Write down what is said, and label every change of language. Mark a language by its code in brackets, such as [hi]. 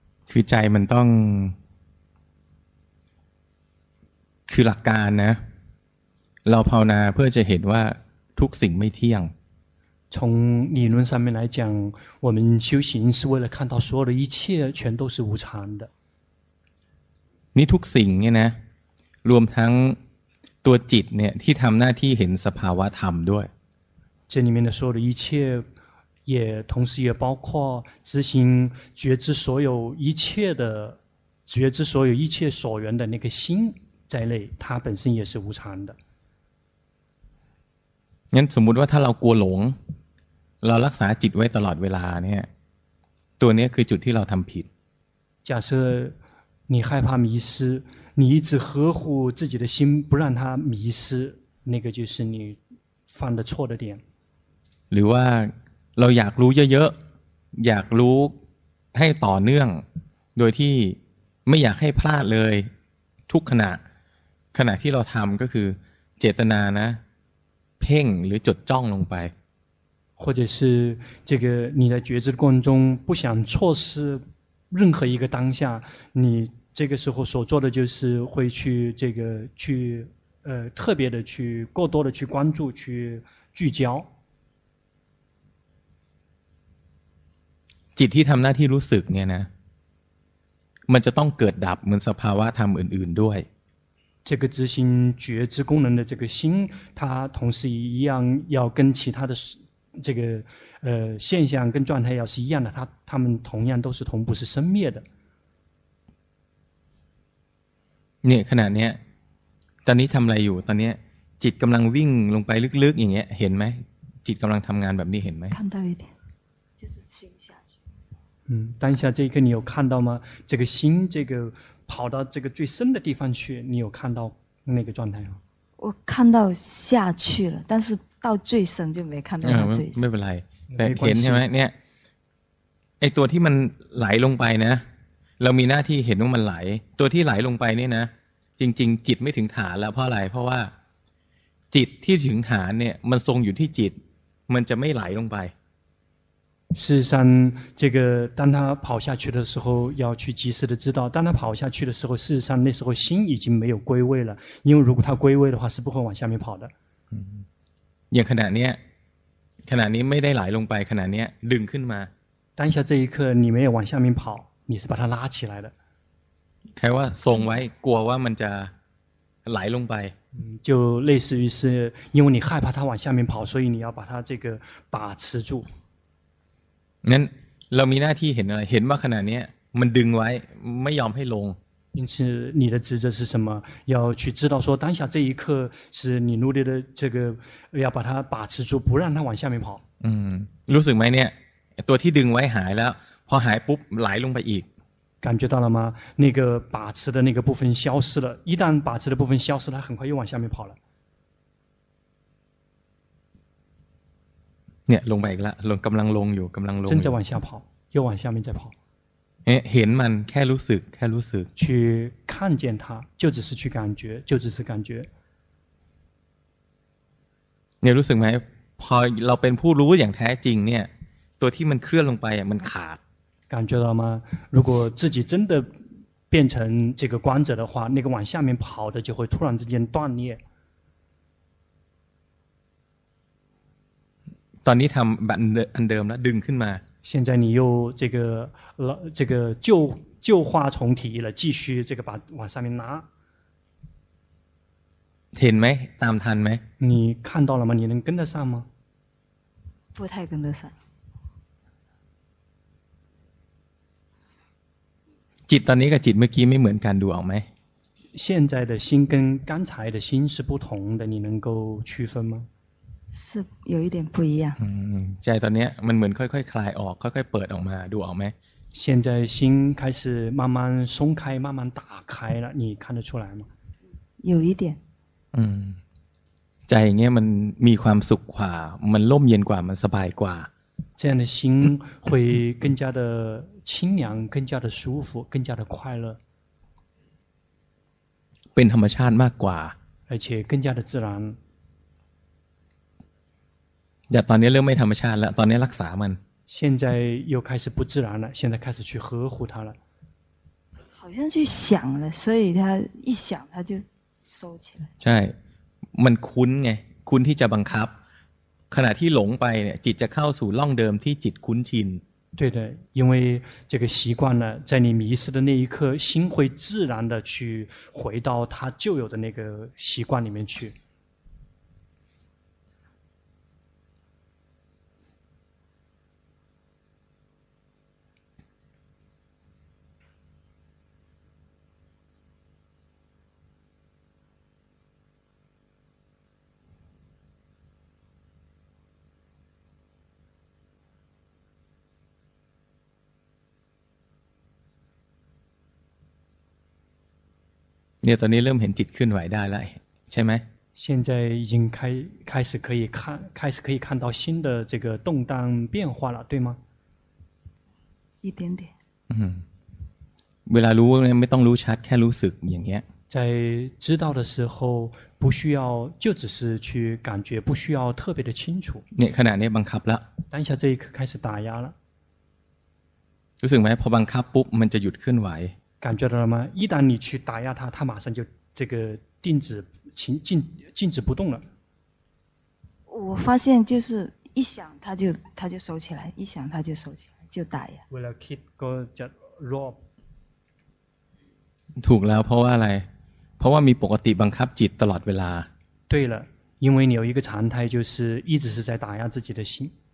[th] คือใจมันต้องคือหลักการนะเราภาวนาเพื่อจะเห็นว่าทุกสิ่งไม่เที่ยง [zh] 从理论上面来讲我们修行是为了看到所有的一切全都是无常的 [th] นี่ทุกสิ่งเนี่ยนะรวมทั้งตัวจิตเนี่ยที่ทำหน้าที่เห็นสภาวะธรรมด้วย [zh] 这里面的所有的一切也同时也包括执行觉知所有一切的觉知所有一切所缘的那个心在内它本身也是无常的 [th] งั้นสมมุติว่าถ้าเรากลัวหลงเรารักษาจิตไว้ตลอดเวลาเนี่ยตัวนี้คือจุดที่เราทำผิด [zh] 假设你害怕迷失你一直呵护自己的心不让它迷失那个就是你犯的错的点 [th] หรือว่าเราอยากรู้เยอะๆอยากรู้ให้ต่อเนื่องโดยที่ไม่อยากให้พลาดเลยทุกขณะที่เราทำก็คือเจตนานะเพ่งหรือจดจ้องลงไป [zh] 或者是这个你在觉知过程中不想错失任何一个当下你这个时候所做的就是会去这个去特别的去过多的去关注去聚焦 [th] จิตที่ทำหน้าที่รู้สึกเนี่ยนะมันจะต้องเกิดดับเหมือนสภาวะธรรมอื่นๆด้วย [zh] 这个执行觉知功能的这个心它同时一样要跟其他的这个现象跟状态要是一样的它们同样都是同步是生灭的 [th] เนี่ยขณะเนี้ยตอนนี้ทำอะไรอยู่ตอนเนี้ยจิตกำลังวิ่งลงไปลึกๆอย่างเงี้ยเห็นไหมจิตกำลังทำงานแบบนี้เห็นไหม [zh] 看到一点就是静下当下这一刻你有看到吗这个心这个跑到这个最深的地方去你有看到那个状态吗我看到下去了但是到最深就没看到最深没关系没关系没关系 [th] ตัวที่มันไหลลงไปนะเรามีหน้าที่เห็นว่ามันไหลตัวที่ไหลลงไปเนี่ยนะจริงๆจิตไม่ถึงฐานแล้วเพราะอะไรเพราะว่าจิตที่ถึงฐานเนี่ยมันทรงอยู่ที่จิตมันจะไม่ไหลลงไป [zh] 事实上这个当他跑下去的时候要去及时的知道当他跑下去的时候事实上那时候心已经没有归位了因为如果他归位的话是不会往下面跑的 [th] อย่างขณะนี้ขณะนี้ไม่ได้ไหลลงไปขณะนี้ดึงขึ้นมา [zh] 当下这一刻你没有往下面跑你是把它拉起来的 [th] แค่ว่าทรงไว้กลัวว่ามันจะไหลลงไป [zh] 就类似于是因为你害怕它往下面跑所以你要把它这个把持住 [th] งั้นเรามีหน้าที่เห็นอะไรเห็นว่าขณะนี้มันดึงไว้ไม่ยอมให้ลง [zh] 因此你的职责是什么要去知道说当下这一刻是你努力的这个要把它把持住不让它往下面跑 [th] รู้สึกไหมเนี่ยตัวที่ดึงไว้หายแล้วพอหายปุ๊บไหลลงไปอีก [zh] 感觉到了吗那个把持的那个部分消失了一旦把持的部分消失它很快又往下面跑了 [th] เนี่ยลงไปอีกแล้วลงกำลังลงอยู่กำลังลง [zh] จะ往下跑又往下面再跑 [th] เห็นมันแค่รู้สึกแค่รู้สึก [zh] 去看见它就只是去感觉就只是感觉 [th] เนี่ยรู้สึกไหมพอเราเป็นผู้รู้อย่างแท้จริงเนี่ยตัวที่มันเคลื่อนลงไปมันขาด [zh] 感觉到吗如果自己真的变成这个观者的话那个往下面跑的就会突然之间断裂 [th] ตอนนี้ทำแบบอันเดิมแล้วดึงขึ้นมา [zh] 现在你又这个旧化重提了继续这个把往上面拿 [th] เห็นไหมตามทันไหม [zh] 你看到了吗你能跟得上吗不太跟得上 [th] จิตตอนนี้กับจิตเมื่อกี้ไม่เหมือนกันดูออกไหม [zh] 现在的心跟刚才的心是不同的你能够区分吗是有一点不一样 [th] ใจตอนนี้มันเหมือนค่อยๆ คลายออกค่อยๆเปิดออกมาดูออกไหม [zh] 现在心开始慢慢松开慢慢打开了你看得出来吗有一点 [th] ใจอย่างเงี้ยมันมีความสุขกว่ามันร่มเย็นกว่ามันสบายกว่า [zh] 这样的心会更加的清凉更加的舒服更加的快乐 [th] เป็นธรรมชาติมากกว่า [zh] 而且更加的自然 [th] อย่าตอนนี้เริ่มไม่ธรรมชาติแล้วตอนนี้รักษามัน [zh] 现在又开始不自然了现在开始去呵护它了好像去想了所以他一想他就收起来 [th] ใช่มันคุ้นไงคุ้นที่จะบังคับขณะที่หลงไปเนี่ยจิตจะเข้าสู่ร่องเดิมที่จิตคุ้นชิน [zh] 对的因为这个习惯呢在你迷失的那一刻心会自然的去回到他旧有的那个习惯里面去 [th] เนี่ยตอนนี้เริ่มเห็นจิตเคลื่อนไหวได้แล้วใช่ไหม [zh] 现在已经开始可以看开始可以看到心的这个动荡变化了对吗一点点 [th] เวลารู้ไม่ต้องรู้ชัดแค่รู้สึกอย่างเงี้ย [zh] 在知道的时候不需要就只是去感觉不需要特别的清楚 [th] เนี่ยขณะนี้บังคับแล้ว [zh] 当下这一刻开始打压了 [th] รู้สึกไหมพอบังคับปุ๊บมันจะหยุดเคลื่อนไหว [zh] 感觉到了吗一旦你去打压它它马上就这个定止 静止不动了我发现就是一想它就收起来一想它就收起来就打压为了 keep go just rob [th] ถูกแล้วเพราะว่าอะไรเพราะว่ามีปกติบังคับจิตตลอดเวลา [zh] 对了因为你有一个常态就是一直是在打压自己的心